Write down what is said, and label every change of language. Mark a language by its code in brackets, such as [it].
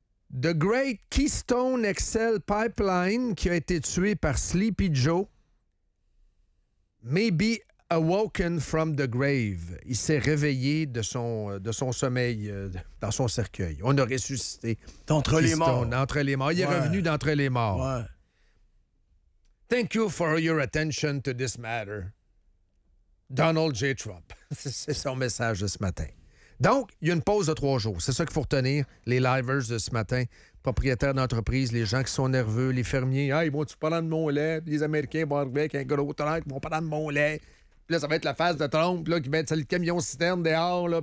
[en] The Great Keystone XL Pipeline, [fr] qui a été tué par Sleepy Joe, [en] may be awoken from the grave. [fr] Il s'est réveillé de son sommeil dans son cercueil. On a ressuscité. D'entre les morts. Entre les morts. Il est revenu d'entre les morts. Ouais. [en] Thank you for your attention to this matter. Donald J. Trump. [fr] C'est son message de ce matin. Donc, il y a une pause de 3 jours. C'est ça qu'il faut retenir, les livers de ce matin, propriétaires d'entreprises, les gens qui sont nerveux, les fermiers. Ah, ils vont-tu prendre de mon lait? Les Américains vont arriver avec un gros truc, ils vont prendre de mon lait. Puis là, ça va être la face de Trump, là, qui va être le camion-citerne dehors, là.